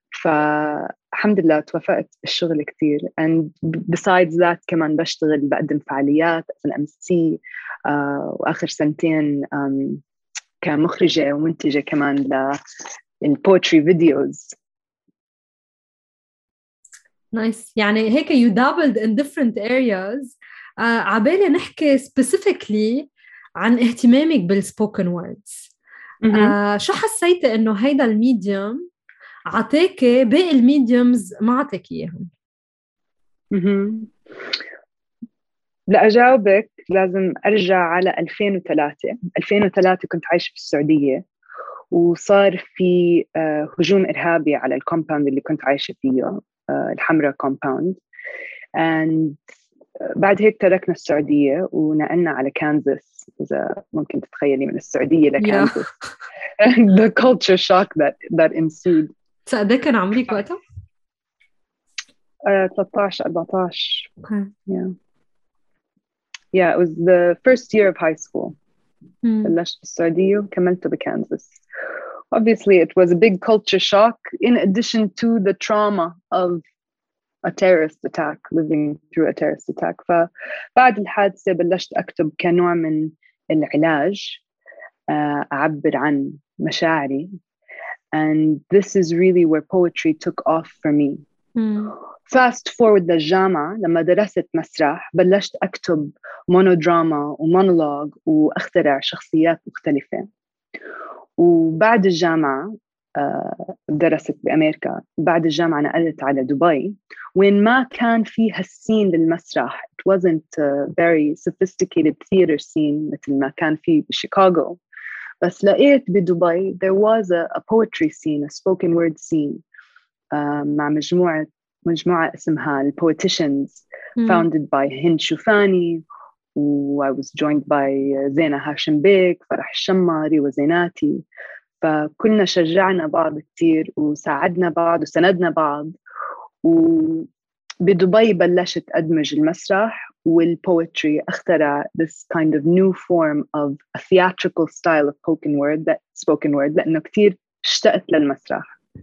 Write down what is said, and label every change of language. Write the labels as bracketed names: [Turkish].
[Arabic] فالحمد لله توفقت بالشغل كثير، [English] and besides that [Arabic] كمان بشتغل بقدم فعاليات في MC، وآخر سنتين كمخرجة ومنتجة كمان للبوتري فيديوز. [English] Nice. [Arabic] يعني هيك [English] you dabbled in different areas. [Arabic] عبالي نحكي specifically عن اهتمامك بالspoken words. شو حسيت انه هيدا الميديوم عطيك باقي الميديومز ما عطيك اياهم؟ لأجاوبك لازم أرجع على 2003. 2003 كنت عايشة في السعودية، وصار في هجوم إرهابي على الكومباوند اللي كنت عايشة فيه، الحمراء كومباوند. بعد هيك تركنا السعودية ونقلنا على كانزاس، إذا ممكن تتخيلي من السعودية لكانزاس. [English] The culture shock that ensued. [Arabic] سأدي كان عمري وقتها؟ [English] 13-14. Okay. Yeah. Yeah, it was the first year of high school. [Arabic] بلشت بالسعودية وكملت بكانزاس. [English] Obviously, it was a big culture shock in addition to the trauma of a terrorist attack, living through a terrorist attack. [Arabic] فبعد الحادثة بلشت أكتب كنوع من العلاج، أعبر عن مشاعري. [English] And this is really where poetry took off for me. Fast forward [Arabic] للجامعة، لما درست مسرح بلشت أكتب مونودراما ومونولوج وأخترع شخصيات مختلفة. وبعد الجامعة درست بأمريكا، بعد الجامعة نقلت على دبي وين ما كان فيها السين للمسرح. [English] It wasn't a very sophisticated theater scene [Arabic] مثل ما كان في شيكاغو، بس لقيت بدبي [English] there was a poetry scene, a spoken word scene، [Arabic] مع مجموعة اسمها [English] The Poeticians founded by Hind Shufani. I was joined by Zaina Hashim Beg, Farah Shammari وزيناتي. [Arabic] فكلنا شجعنا بعض كتير وساعدنا بعض وسندنا بعض. وبدبي بلشت أدمج المسرح والpoetry، أخترع [English] this kind of new form of a theatrical style of spoken word [Arabic] لأنه كتير اشتقت للمسرح.